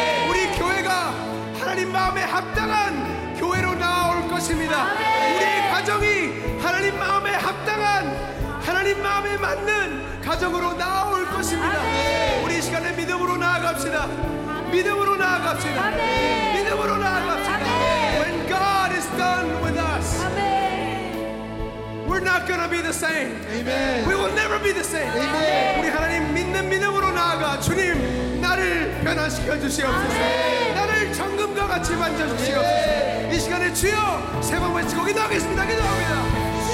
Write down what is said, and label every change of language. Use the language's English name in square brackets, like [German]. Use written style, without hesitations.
[Korean] 우리 교회가 하나님 마음에 합당한 교회로 나올 것입니다. 우리의 가정이 하나님 마음에 합당한, 하나님 마음에 맞는 가정으로 나올 것입니다. 우리 시간에 믿음으로 나아갑시다. 믿음으로 나아갑시다. 믿음으로 나아갑시다. [English] When God is done with us, we're not gonna be the same. Amen. We will never be the same. Amen. [Korean] 우리 하나님 믿는 믿음으로 나아가 주님 나를 변화시켜 주시옵소서. 나를 정금과 같이 만져 주시옵소서. 이 시간에 주여 새 마음을 지고 기도하겠습니다. 기도합니다.